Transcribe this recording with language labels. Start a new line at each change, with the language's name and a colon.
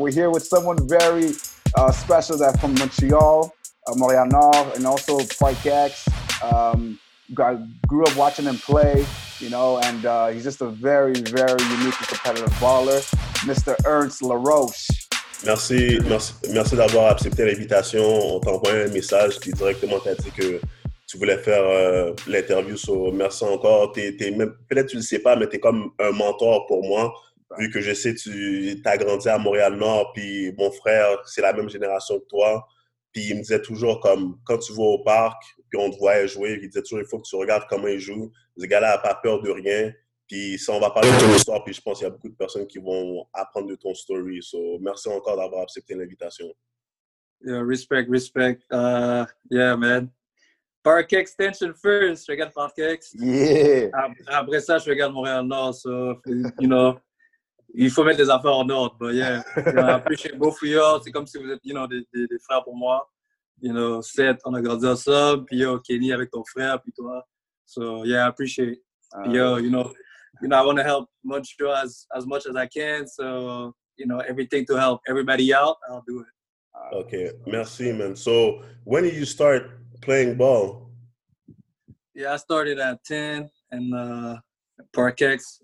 English: We're here with someone very special that's from Montreal, Montréal Nord, and also Parkex. Grew up watching him play, you know, and he's just a very, very unique and competitive baller, Mr. Ernst LaRoche.
French: Merci d'avoir accepté l'invitation. On t'envoie un message qui directement t'a dit que tu voulais faire l'interview. So, merci encore. Peut-être tu ne le sais pas, mais tu es comme un mentor pour moi. Right. Vu que je sais que tu as grandi à Montréal-Nord, puis mon frère, c'est la même génération que toi. Puis il me disait toujours, comme quand tu vas au parc, puis on te voit jouer, il disait toujours, il faut que tu regardes comment il joue. Ce gars-là n'a pas peur de rien. Puis ça, on va parler de ton histoire, puis je pense qu'il y a beaucoup de personnes qui vont apprendre de ton story. So, merci encore d'avoir accepté l'invitation.
English: Yeah, respect, respect. Yeah, man. Park Extension first.
French: Je regarde Park X.
English: Yeah.
French: Après ça, je regarde Montréal-Nord.
English: So, you know,
French: il faut mettre les affaires en ordre.
English: But yeah, I appreciate both of y'all.
French: C'est comme si vous êtes,
English: you know,
French: des frères pour moi.
English: You know,
French: Seth, on a grandi ensemble. Puis yo, Kenny avec ton frère, puis toi.
English: So, yeah, I appreciate. Yo, you know, I want to help Montreal as much as I can. So, you know, everything to help everybody out, I'll do it. Okay, merci, man. So, when did you start playing ball? Yeah, I started at 10 in Parkex.